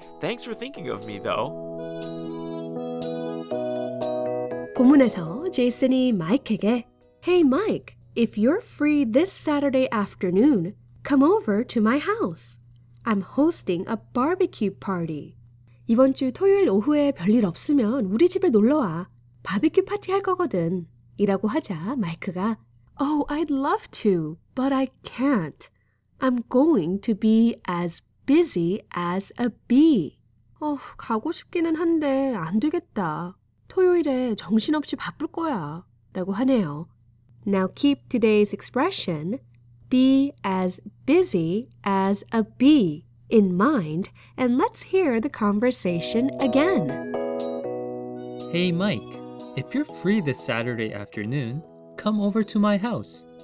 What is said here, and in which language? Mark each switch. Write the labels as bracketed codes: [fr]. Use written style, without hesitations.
[en] Thanks for thinking of me, though. [ko] 본문에서 제이슨이 마이크에게 [en] Hey, Mike, if you're free this Saturday afternoon, come over to my house. I'm hosting a barbecue party. [ko] 이번 주 토요일 오후에 별일 없으면 우리 집에 놀러와. 바비큐 파티 할 거거든. 이라고 하자 마이크가 [en] Oh, I'd love to, but I can't. I'm going to be as busy as a bee. [ko] 가고 싶기는 한데 안 되겠다. 토요일에 정신없이 바쁠 거야. 라고 하네요. [en] Now keep today's expression, be as busy as a bee, in mind, and let's hear the conversation again. Hey, Mike, if you're free this Saturday afternoon, come over to my house.